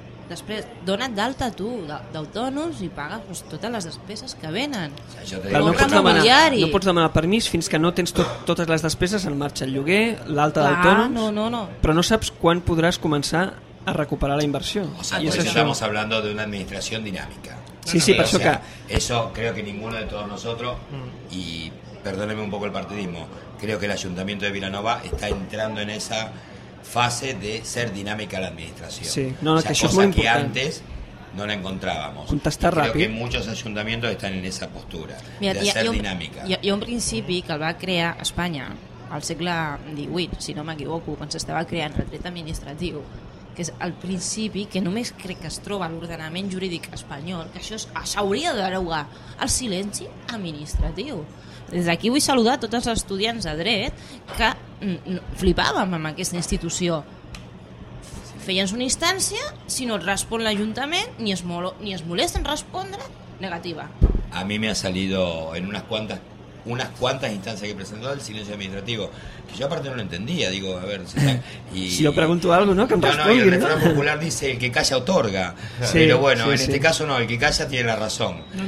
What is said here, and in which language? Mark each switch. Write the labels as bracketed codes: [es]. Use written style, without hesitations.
[ca] Després dona't d'alta tu d'autònoms i paga doncs, totes les despeses que venen. Clar, no pots demanar permís fins que no tens totes les despeses en marxa, el lloguer, l'alta d'autònoms, no. Però no saps quan podràs començar a recuperar la inversió. [es] O sea, pues estamos hablando de una administración dinámica. [ca] Sí, no, sí, per això que... [es] Eso creo que ninguno de todos nosotros, y perdóneme un poco el partidismo, creo que el Ayuntamiento de Vilanova está entrando en esa... fase de ser dinámica la administración. Sí, no, o sea, que cosa es muy que antes no la encontrábamos. Contestar rápido. Creo que muchos ayuntamientos están en esa postura. Mira, de ser dinámica. [ca] Hi ha un principi que el va crear Espanya al segle XVIII, si no m'equivoco, quan s'estava creant el dret administratiu, que és el principi que només crec que es troba a l'ordenament jurídic espanyol, que això s'hauria de derogar, el silenci administratiu. Des d'aquí vull saludar tots els estudiants de dret que flipàvem amb aquesta institució. Feien una instància, si no et respon l'Ajuntament, ni es molesta en respondre, negativa. [es] A mi m'ha salido en unas cuantas instancias que he presentado el silencio administrativo, que yo aparte no lo entendía, digo, a ver, si yo pregunto algo, ¿no? Que no, no, y el refrán popular dice el que calla otorga, sí, pero bueno, sí, en sí. Este caso no, el que calla tiene la razón.